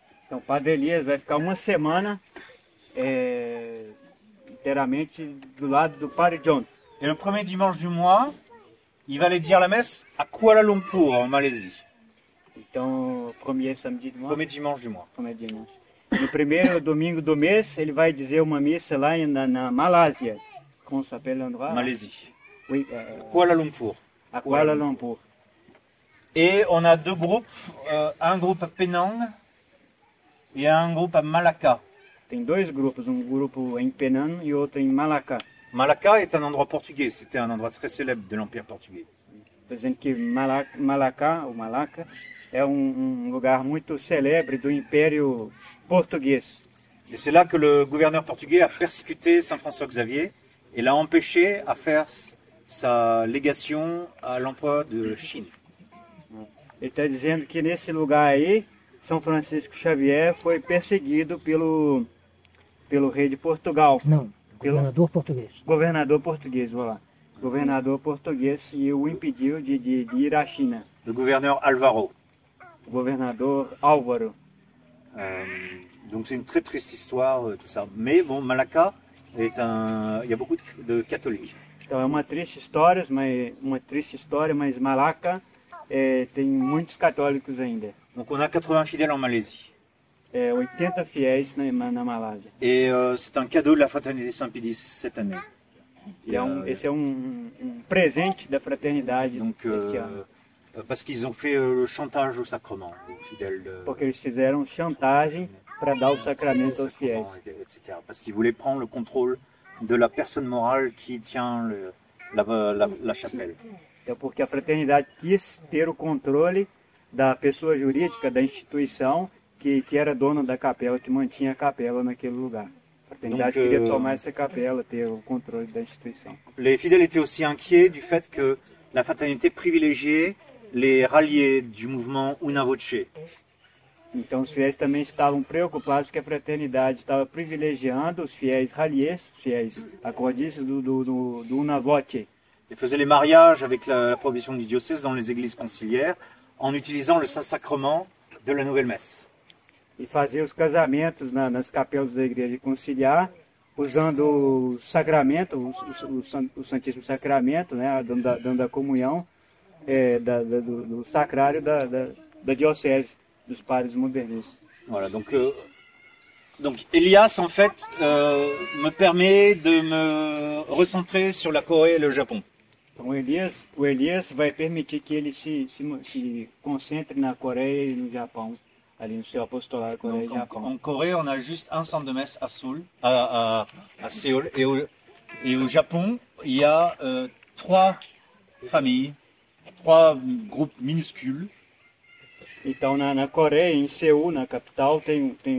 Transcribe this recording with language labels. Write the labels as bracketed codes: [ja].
[pt] Donc, Padre Elias va ficar uma semana inteiramente do lado do Padre John. [fr] Et le premier dimanche du mois, il va aller dire la messe à Kuala Lumpur, en Malaisie. Então, premier samedi du mois. Premier dimanche du mois. Premier dimanche. [pt] No primeiro domingo do mês, ele vai dizer uma missa lá na Malásia. [fr] Como se appelle l'endroit? Malaisie. Oui, Kuala Lumpur. À Kuala Lumpur. Et on a deux groupes, un groupe à Penang et un groupe à Malacca. [pt] Tem dois grupos, um grupo em Penang e outro em Malacca. [fr] Malacca est un endroit portugais, c'était un endroit très célèbre de l'Empire portugais. [pt] Dizendo que Malacca, ou Malacca, é um lugar muito célèbre do Império Português. [fr] Et c'est là que le gouverneur portugais a persécuté Saint François Xavier et l'a empêché à faire sa légation à l'empereur de Chine. [pt] Ele está dizendo que nesse lugar aí, São Francisco Xavier foi perseguido pelo rei de Portugal. Não, governador português. Governador português, voilà. Governador português e o impediu de ir à China. Do governador Álvaro. Governador Álvaro. [fr] Donc c'est une très triste histoire, tout ça. Mais bon, Malacca, il y a beaucoup de catholiques. [pt] Então é uma triste história, mas Malacca. Tem muitos católicos ainda. [fr] Donc on a 80 fidèles en Malaisie. [pt] 80 fiéis na Malásia. [fr] E c'est un cadeau de la Fraternité Saint-Pédis cette année. [pt] Esse é um presente da fraternidade. [fr] Donc, parce qu'ils ont fait le chantage au sacrement aux fidèles. [pt] Porque eles fizeram chantagem para dar o sacramento aos fiéis. [fr] Parce qu'ils voulaient prendre le contrôle de la personne morale qui tient la chapelle. [pt] Então, porque a fraternidade quis ter o controle da pessoa jurídica, da instituição que era dona da capela, que mantinha a capela naquele lugar. A fraternidade Donc, queria tomar essa capela, ter o controle da instituição. [fr] Les fidèles étaient aussi inquiets du fait que la fraternité privilégiait les ralliés du mouvement Una Voce. [pt] Então os fiéis também estavam preocupados que a fraternidade estava privilegiando os fiéis ralliés, os fiéis acordistas do Una Voce. [fr] Ils faisaient les mariages avec la prohibition du diocèse dans les églises conciliaires en utilisant le Saint-Sacrement de la Nouvelle Messe. Ils faisaient [pt] os casamentos nas capelas da igreja conciliar usando o sacramento, o Santíssimo Sacramento, né, dando a comunhão do sacrário da diocese dos padres modernistas. [fr] Voilà, donc Elias en fait me permet de me recentrer sur la Corée et le Japon. [pt] Então Elias vai permitir que ele se concentre na Coreia e no Japão, ali no seu apostolado Coreia e Japão. [fr] En Corée, on a juste un centre de messe à Séoul et au Japon, il y a trois familles, trois groupes minuscules. [pt] Então na Coreia, em Seul, na capital, tem